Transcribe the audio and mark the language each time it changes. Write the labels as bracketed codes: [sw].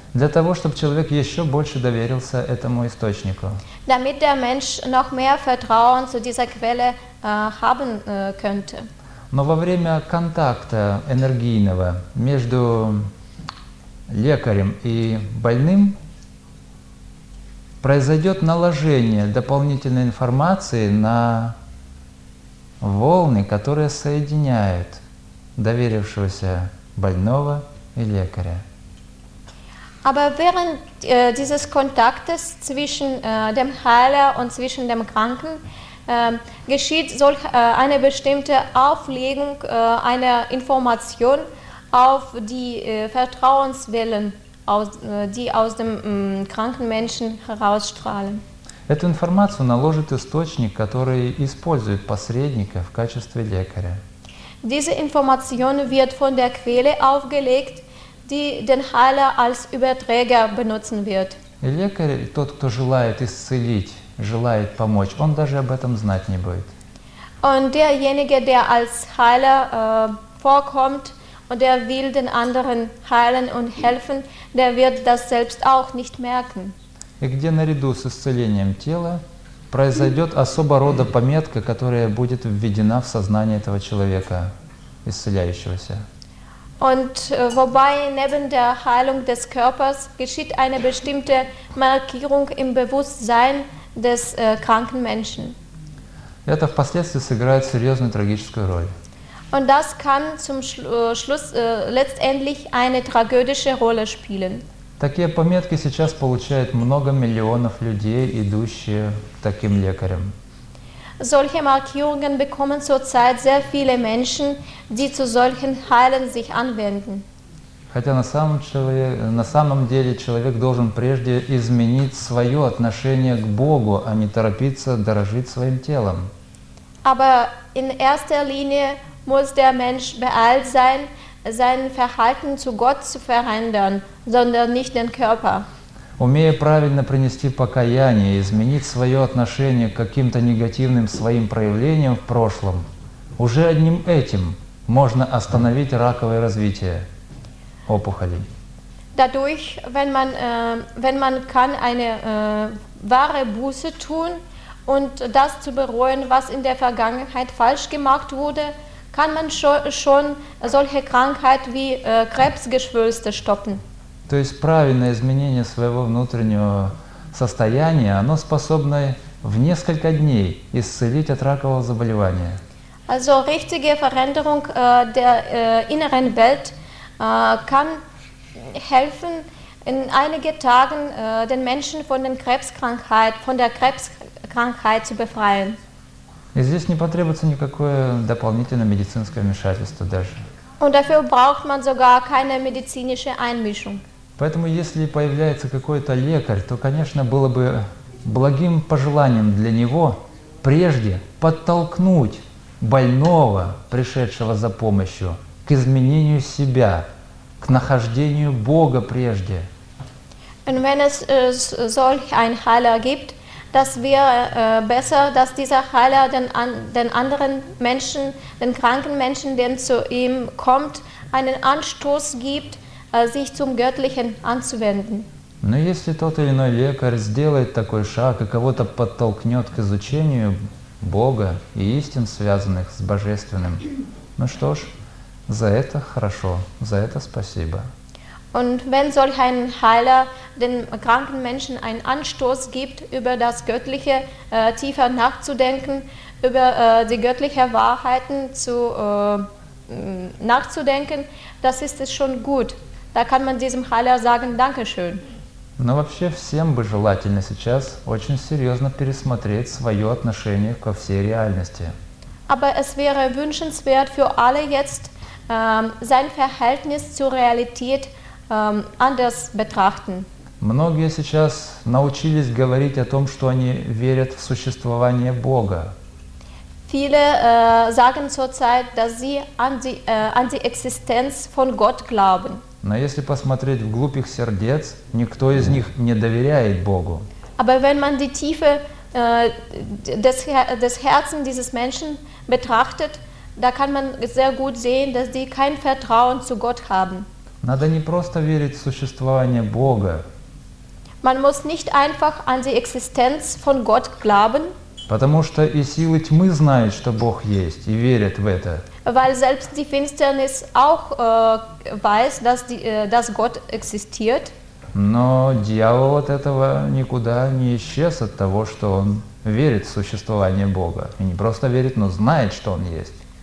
[ru] Для того, чтобы человек еще больше доверился этому источнику. [de] Damit der Mensch noch mehr Vertrauen zu dieser Quelle haben könnte. [ru] Но во время контакта энергийного между лекарем и больным произойдет наложение дополнительной информации на волны, которые соединяют доверившегося больного и лекаря. [de] Aber während dieses Kontaktes zwischen dem Heiler und zwischen dem Kranken geschieht solch eine bestimmte Auflegung einer Information auf die Vertrauenswellen, die aus dem kranken Menschen herausstrahlen. [ru] Эту информацию наложит источник, который использует посредника в качестве лекаря. [de] Diese Information wird von der Quelle aufgelegt, die den Heiler als Überträger benutzen wird. [ru] И лекарь, тот, кто желает исцелить, желает помочь, он даже об этом знать не будет. [de] Und derjenige, der als Heiler vorkommt, und der will den anderen heilen und helfen, der wird das selbst auch nicht merken. [ru] И где наряду с исцелением тела произойдет особого рода пометка, которая будет введена в сознание этого человека, исцеляющегося. [de] Und wobei neben der Heilung des Körpers geschieht eine bestimmte Markierung im Bewusstsein des kranken Menschen. [ru] Это впоследствии сыграет серьезную трагическую роль. [de] Und das kann zum Schluss letztendlich eine tragödische Rolle spielen. [ru] Такие пометки сейчас получают много миллионов людей, идущие к таким лекарям. [de] Solche Markierungen bekommen zurzeit sehr viele Menschen, die zu solchen Heilern sich anwenden. [ru] Хотя на самом деле человек должен прежде изменить свое отношение к Богу, а не торопиться дорожить своим телом. [de] Aber in erster Linie muss der Mensch beeilt sein, sein Verhalten zu Gott zu verändern, sondern nicht den Körper. [ru] Умея правильно принести покаяние, изменить свое отношение к каким-то негативным своим проявлениям в прошлом, уже одним этим можно остановить раковое развитие опухолей. [de] dadurch, wenn man, wenn man kann eine wahre Buße tun und das zu bereuen, was in der Vergangenheit falsch gemacht wurde, kann man schon solche Krankheit wie Krebsgeschwülste stoppen. [ru] То есть правильное изменение своего внутреннего состояния, оно способно в несколько дней исцелить от ракового заболевания. [de] Also richtige Veränderung der inneren Welt kann helfen, in einige Tagen den Menschen von den Krebskrankheit, von der Krebskrankheit zu befreien. [ru] И здесь не потребуется никакое дополнительное медицинское вмешательство даже. [de] Und dafür braucht man sogar keine medizinische Einmischung. [ru] Поэтому, если появляется какой-то лекарь, то, конечно, было бы благим пожеланием для него прежде подтолкнуть больного, пришедшего за помощью, к изменению себя, к нахождению Бога прежде. [de] Und wenn es solch ein Heiler gibt, das wäre besser, dass dieser Heiler den anderen Menschen, den kranken Menschen, der zu ihm kommt, einen Anstoß gibt, sich zum Göttlichen anzuwenden. [ru] Но если тот или иной лекарь сделает такой шаг и кого-то подтолкнет к изучению Бога и истин, связанных с Божественным, ну что ж, за это хорошо, за это спасибо. [de] Und wenn solch ein Heiler den kranken Menschen einen Anstoß gibt, über das Göttliche tiefer nachzudenken, über die göttlichen Wahrheiten zu nachzudenken, das ist es schon gut. Da kann man diesem Heiler sagen, Dankeschön. [ru] Но вообще всем бы желательно сейчас очень серьезно пересмотреть свое отношение ко всей реальности. [de] Aber es wäre wünschenswert für alle jetzt sein Verhältnis zur Realität anders betrachten. [ru] Многие сейчас научились говорить о том, что они верят в существование Бога. [de] Viele sagen zurzeit, dass sie an die Existenz von Gott glauben. [ru] Но если посмотреть вглубь их сердец, никто из них не доверяет Богу. [de] Aber wenn man die Tiefe des Herzens dieses Menschen betrachtet, da kann man sehr gut sehen, dass die kein Vertrauen zu Gott haben. [ru] Надо не просто верить в существование Бога. [de] Man muss nicht einfach an die Existenz von Gott glauben. [ru] Потому что и силы тьмы знают, что Бог есть, и верят в это. [de] Weil selbst die Finsternis auch weiß, dass, dass Gott existiert. [ru] Но дьявол от этого никуда не исчез, от того, что он верит в существование Бога. И не просто верит, но знает, что он есть.